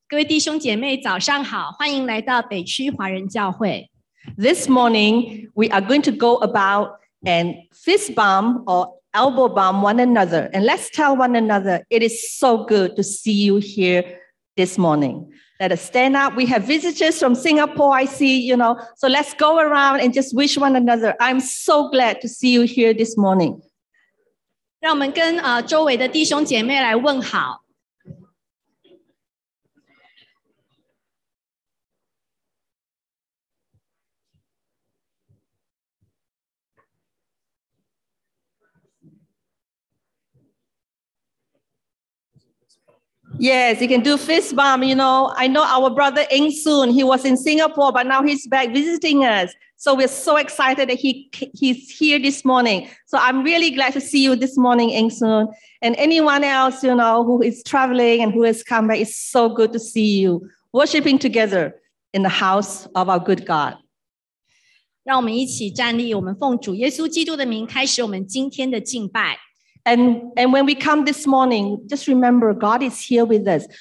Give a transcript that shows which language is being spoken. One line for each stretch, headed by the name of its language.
Chinese: 各位弟兄姐妹早上好，欢迎来到北区华人教会。
English: This morning, we are going to go about and fist bump or elbow bump one another. And let's tell one another, it is so good to see you here this morning. Let us stand up. We have visitors from Singapore, I see, you know. So let's go around and just wish one another. I'm so glad to see you here this morning.
Chinese: 让我们跟周围的弟兄姐妹来问好。
English: Yes, you can do fist bump. You know, I know our brother Eng Soon. He was in Singapore, but now he's back visiting us. So we're so excited that he's here this morning. So I'm really glad to see you this morning, Eng Soon. And anyone else, you know, who is traveling and who has come back, it's so good to see you worshiping together in the house of our good God.
Chinese: 让我们一起站立，我们奉主耶稣基督的名开始我们今天的敬拜。
English: And when we come this morning, just remember, God is here with us.